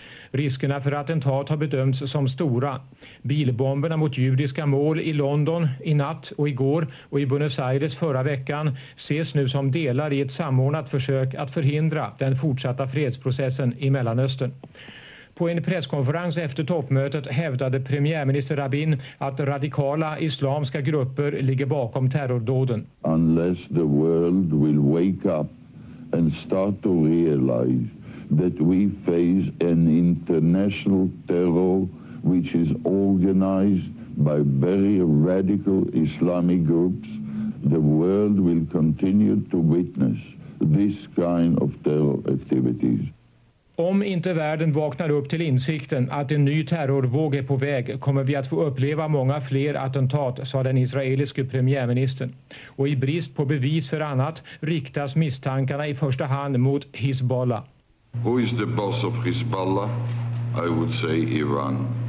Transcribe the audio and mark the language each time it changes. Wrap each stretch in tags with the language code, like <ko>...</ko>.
<sv>Riskerna för attentat har bedömts som stora. Bilbomberna mot judiska mål i London i natt och igår och i Buenos Aires förra veckan ses nu som delar i ett samordnat försök att förhindra den fortsatta fredsprocessen i Mellanöstern. På en presskonferens efter toppmötet hävdade premiärminister Rabin att radikala islamiska grupper ligger bakom terrordåden.</sv> <en>Unless the world will wake up and start to realize that we face an international terror which is organized by very radical Islamic groups, the world will continue to witness this kind of terror activities.</en> <sv>Om inte världen vaknar upp till insikten att en ny terrorvåg är på väg kommer vi att få uppleva många fler attentat, sa den israeliske premiärministern. Och i brist på bevis för annat riktas misstankarna i första hand mot Hezbollah.</sv> <en>Who is the boss of Hezbollah? I would say Iran.</en>